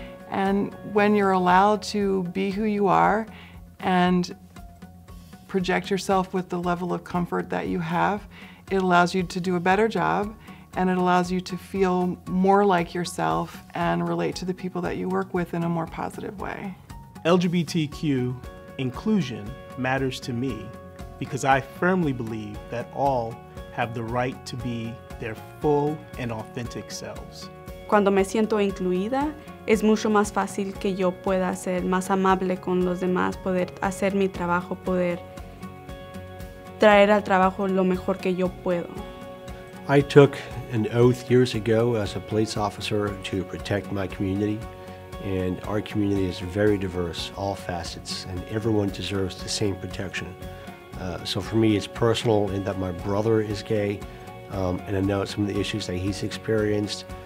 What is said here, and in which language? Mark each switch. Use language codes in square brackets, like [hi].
[en] And when you're allowed to be who you are and project yourself with the level of comfort that you have, it allows you to do a better job and it allows you to feel more like yourself and relate to the people that you work with in a more positive way. LGBTQ inclusion matters to me because I firmly believe that all have the right to be their full and authentic selves. [es] Cuando me siento incluida, es mucho más fácil que yo pueda ser más amable con los demás, poder hacer mi trabajo, poder traer al trabajo lo mejor que yo puedo. [en] I took an oath years ago as a police officer to protect my community, and our community is very diverse, all facets, and everyone deserves the same protection. So for me, it's personal in that my brother is gay, and I know some of the issues that he's experienced.